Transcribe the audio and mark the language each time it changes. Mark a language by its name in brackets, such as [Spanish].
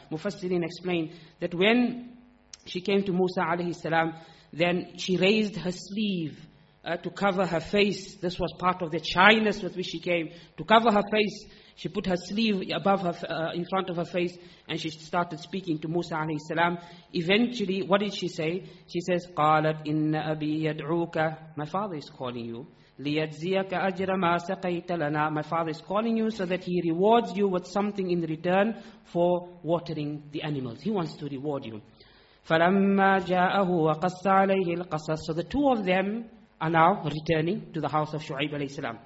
[English] Mufassirin explained that when she came to Musa alayhi salam, then she raised her sleeve to cover her face. This was part of the shyness with which she came. To cover her face, she put her sleeve above her, in front of her face, and she started speaking to Musa alayhi salam. Eventually, what did she say? She says, [Arabic] قَالَتْ إِنَّ أَبِي يَدْعُوكَ. [English] My father is calling you. [Arabic] لِيَجْزِيَكَ أَجْرَ مَا سَقَيْتَ لَنَا. [English] My father is calling you so that he rewards you with something in return for watering the animals. He wants to reward you. [Arabic] فَلَمَّا جَاءَهُ وَقَصَّ عَلَيْهِ الْقَصَصِ. [English] So the two of them are now returning to the house of Shu'aib alayhi salam.